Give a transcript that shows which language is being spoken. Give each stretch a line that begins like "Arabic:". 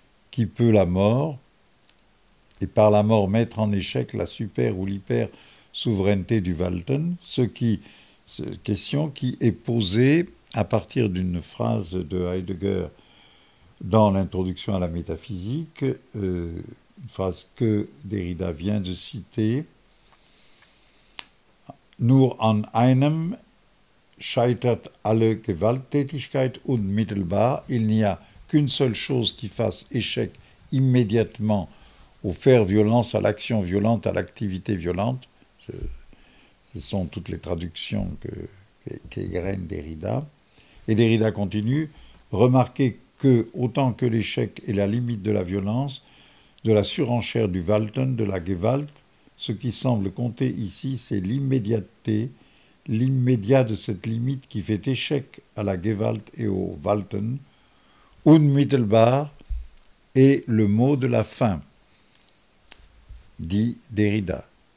French: Qui peut la mort, et par la mort mettre en échec la super ou l'hyper souveraineté du Walten, cette question qui est posée à partir d'une phrase de Heidegger dans l'introduction à la métaphysique, une phrase que Derrida vient de citer.
German: Nur an einem scheitert alle Gewalttätigkeit unmittelbar.
French: Il n'y a qu'une seule chose qui fasse échec immédiatement au faire violence, à l'action violente, à l'activité violente. Ce sont toutes les traductions qu'égrène Derrida. Et Derrida continue. Remarquez que, autant que l'échec est la limite de la violence, de la surenchère du Walten, de la Gewalt, ce qui semble compter ici, c'est l'immédiateté, l'immédiat de cette limite qui fait échec à la Gewalt et au Walten, unmittelbar, et le mot de la fin, dit Derrida.